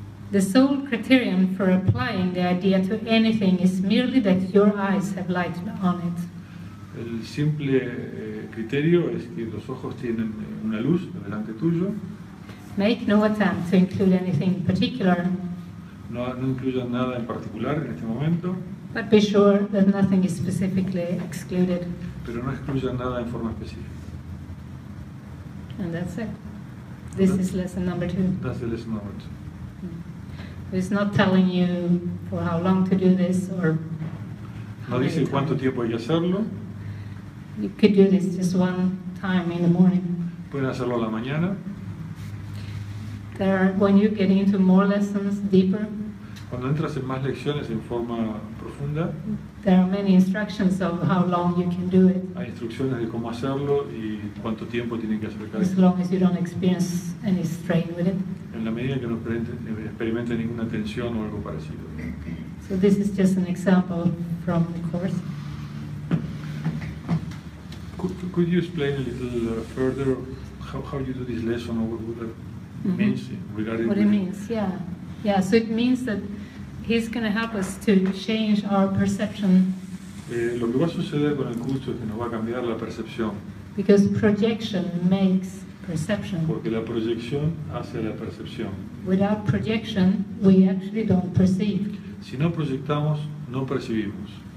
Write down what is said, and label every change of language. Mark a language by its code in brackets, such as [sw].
[en] The sole criterion for applying the idea to anything is merely that your eyes have lighted on it. [es] El simple criterio es que los ojos tienen una luz delante tuyo. [en] Make no attempt to include anything particular. [es] No incluyan nada en particular en este momento. [en] But be sure that nothing is specifically excluded. [es] Pero no excluyan nada en forma específica. [en] And that's it. This is lesson number two. That's the lesson number two. Mm. It's not telling you for how long to do this or. [es] No dice cuánto tiempo hay que hacerlo. [en] You could do this just one time in the morning. [es] Pueden hacerlo a la mañana. [en] There, when you get into more lessons, deeper. [es] Cuando entras en más lecciones en forma profunda. [en] There are many instructions of how long you can do it. [es] Hay instrucciones de cómo hacerlo y cuánto tiempo tienen que hacer. [en] As long as you don't experience any strain with it. [es] En la medida que no experimente ninguna tensión o algo parecido. [en] So this is just an example from the course. Could you explain a little further how you do this lesson or what that mm-hmm. means regarding what it means? Yeah. So it means that he's going to help us to change our perception. [es] Lo que va a suceder con el curso es que nos va a cambiar la percepción. [en] Because projection makes perception. [es] Porque la proyección hace la percepción. [en] Without projection, we actually don't perceive. [es] Si no proyectamos, no percibimos.